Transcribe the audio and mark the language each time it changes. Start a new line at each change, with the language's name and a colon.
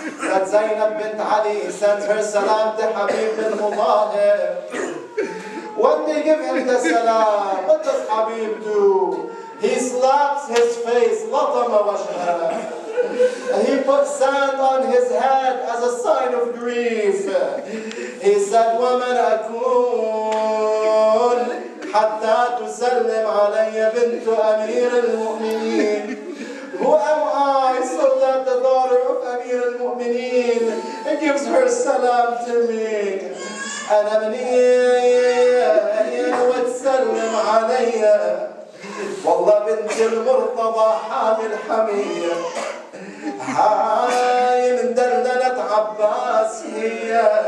English: That Zainab bint Ali sends her salam to Habib ibn Mudahir. When they give him the salam, what does Habib do? He slaps his face, latama washhara. He puts sand on his head as a sign of grief. He said,
Arabic: وَمَنْ أَكُونْ حَتَّى تُسَلِّمْ عَلَيَّ بِنْتُ أَمِيرِ الْمُؤْمِنِينَ.
English: Who am I so that the daughter of Amir al-Mu'mineen gives her salam to me?
Arabic: أنا بنية وتسلم علي والله بنت المرتضى حامل حمية هاي من دلدلة عباس هي